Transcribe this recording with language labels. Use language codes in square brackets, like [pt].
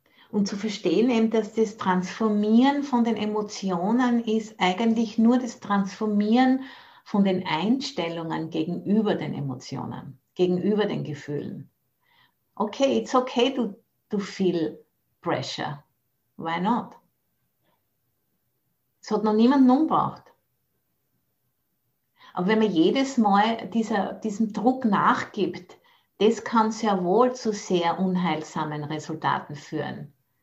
[de] Und zu verstehen eben, dass das Transformieren von den Emotionen ist eigentlich nur das Transformieren von den Einstellungen gegenüber den Emotionen, gegenüber den Gefühlen. [en] Okay, it's okay to feel pressure. Why not? [de] Es hat noch niemanden umgebracht. Aber wenn man jedes Mal diesem Druck nachgibt, das kann sehr wohl zu sehr unheilsamen Resultaten führen.